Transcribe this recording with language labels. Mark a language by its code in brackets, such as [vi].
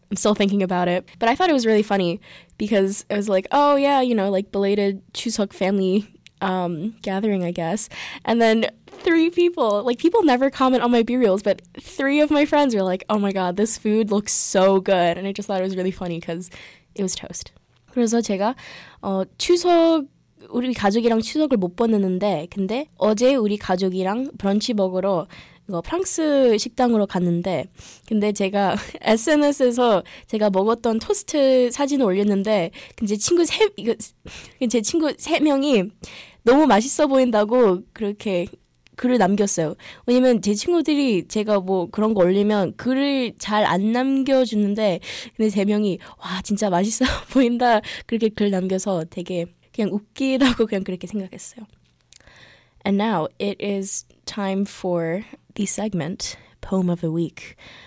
[en] I'm still thinking about it, but I thought it was really funny because it was like, oh yeah, you know, like belated Chuseok family gathering, I guess. And then three people, like people never comment on my B-Reels, but three of my friends were like, oh my God, this food looks so good. And I just thought it was really funny because it was toast. [ko] 그래서 제가 추석 우리 가족이랑 추석을 못 보냈는데 근데 어제 우리 가족이랑 브런치 먹으러 이거 프랑스 식당으로 갔는데 근데 제가 SNS에서 제가 먹었던 토스트 사진을 올렸는데 근데 제 친구 세 명이 너무 맛있어 보인다고 그렇게 글을 남겼어요. 왜냐면 제 친구들이 제가 뭐 그런 거 올리면 글을 잘 안 남겨주는데 근데 세 명이 와 진짜 맛있어 보인다 그렇게 글 남겨서 되게 그냥 웃기다고 그냥 그렇게 생각했어요. [en] And now it is time for the segment, Poem of the Week.